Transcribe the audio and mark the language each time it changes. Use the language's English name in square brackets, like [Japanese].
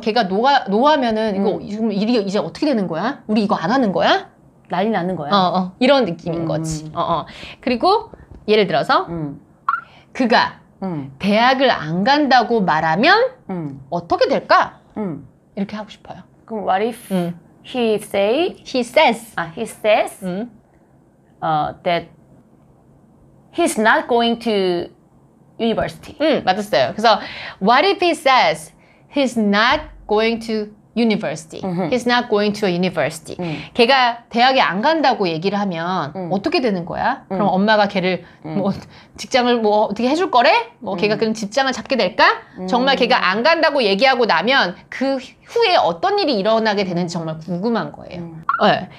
[Korean] 걔가 노하면은 이거 지금 일이 이제 어떻게 되는 거야? 우리 이거 안 하는 거야? 난리 나는 거야? 이런 느낌인 거지. 그리고 예를 들어서 그가 대학을 안 간다고 말하면 어떻게 될까? 이렇게 하고 싶어요. 그럼 [English] what if he say he says he says that he's not going to university. [Korean] 맞았어요. 그래서 [English] what if he says he's not going to university. He's not going to a university. [Korean] 걔가 대학에 안 간다고 얘기를 하면 어떻게 되는 거야? 그럼 엄마가 걔를 뭐 직장을 뭐 어떻게 해줄 거래? 뭐 걔가 그런 직장을 잡게 될까? 정말 걔가 안 간다고 얘기하고 나면 그 후에 어떤 일이 일어나게 되는지 정말 궁금한 거예요. 네.